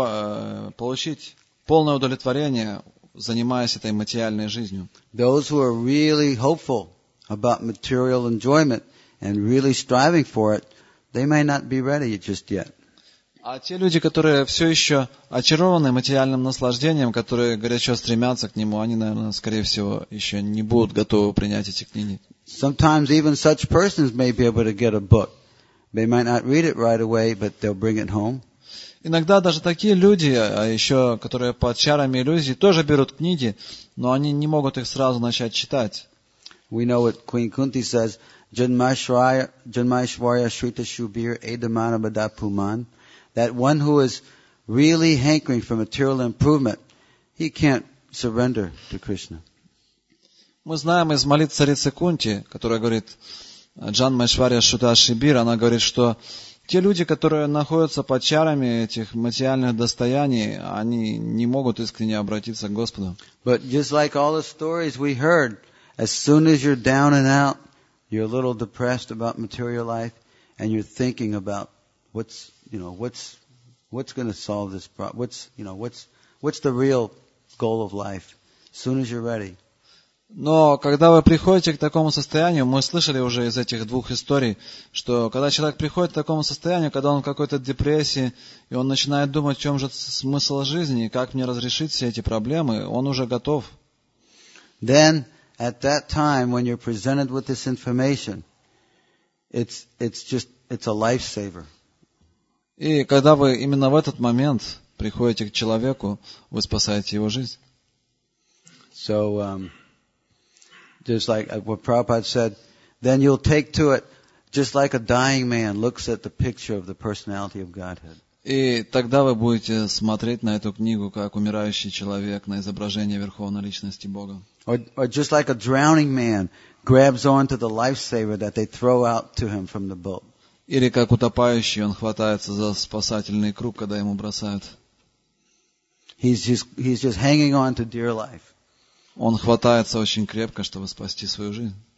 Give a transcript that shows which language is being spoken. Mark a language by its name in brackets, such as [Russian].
[Russian] Они не смогли получить полное удовлетворение, занимаясь этой материальной жизнью. [English] Those who are really hopeful about material enjoyment and really striving for it, they may not be ready just yet. [Russian] А те люди, которые все еще очарованы материальным наслаждением, которые горячо стремятся к нему, они, наверное, скорее всего, еще не будут готовы принять эти книги. [English] Sometimes even such persons may be able to get a book. They might not read it right away, but they'll bring it home. [Russian] Иногда даже такие люди, а еще которые под чарами иллюзий, тоже берут книги, но они не могут их сразу начать читать. [English] We know what Queen Kunti says: [Sanskrit] Janmashwarya Shrita Shubir Edamana Badapuman. [English] That one who is really hankering for material improvement, he can't surrender to Krishna. [Russian] Мы знаем из молитв царицы Кунти, которая говорит [Sanskrit] Джанмайшварья Шрита Шибир, [Russian] она говорит, что те люди, которые находятся под чарами этих материальных достояний, они не могут искренне обратиться к Господу. [English] But just like all the stories we heard, as soon as you're down and out, you're a little depressed about material life, and you're thinking about what's going to solve this problem, what's the real goal of life, as soon as you're ready. [Russian] Но когда вы приходите к такому состоянию, мы слышали уже из этих двух историй, что когда человек приходит к такому состоянию, когда он в какой-то депрессии, и он начинает думать, в чем же смысл жизни, как мне разрешить все эти проблемы, он уже готов. [English] Then, at that time, when you're presented with this information, it's a lifesaver. [Russian] И когда вы именно в этот момент приходите к человеку, вы спасаете его жизнь. [English] So, just like what Prabhupada said, then you'll take to it just like a dying man looks at the picture of the personality of Godhead. [Russian] И тогда вы будете смотреть на эту книгу как умирающий человек на изображение Верховной Личности Бога. [English] Or just like a drowning man grabs onto the lifesaver that they throw out to him from the boat. [Russian] Или как утопающий, он хватается за спасательный круг, когда ему бросают. [English] He's just hanging on to dear life. [Russian] Он хватается очень крепко, чтобы спасти свою жизнь.